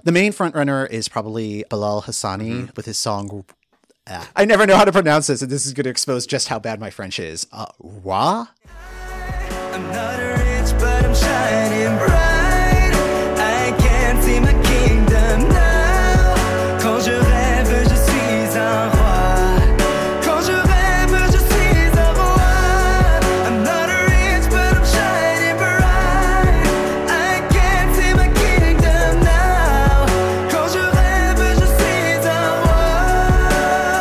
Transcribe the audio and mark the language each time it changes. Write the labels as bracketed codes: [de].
[en] The main frontrunner is probably Bilal Hassani mm-hmm. with his song... I never know how to pronounce this, and this is going to expose just how bad my French is. Wa? I'm not rich, but I'm shining bright. I can't see my kingdom now. [fr] Quand je rêve, je suis un roi. Quand je rêve, je suis un roi. [en] I'm not rich, but I'm shining bright. I can't see my kingdom now. [fr] Quand je rêve, je suis un roi.